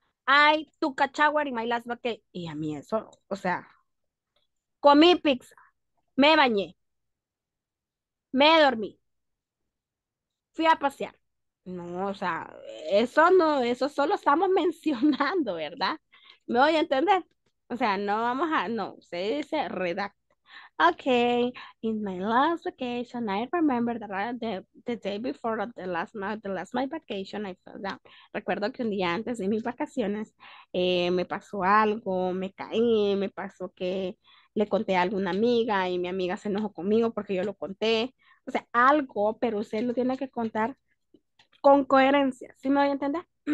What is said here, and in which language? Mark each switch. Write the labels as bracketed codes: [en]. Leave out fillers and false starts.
[en] I took a shower in my last vacation. [es] Y a mí eso, o sea, comí pizza, me bañé, me dormí, fui a pasear. No, o sea, eso no, eso solo estamos mencionando, ¿verdad? ¿Me voy a entender? O sea, no vamos a, no, se dice redacta. [en] Okay, in my last vacation, I remember the day before the last my vacation, I fell down. [es] Recuerdo que un día antes de mis vacaciones me pasó algo, me caí, me pasó que le conté a alguna amiga y mi amiga se enojó conmigo porque yo lo conté. O sea, algo, pero usted lo tiene que contar con coherencia. ¿Sí me voy a entender?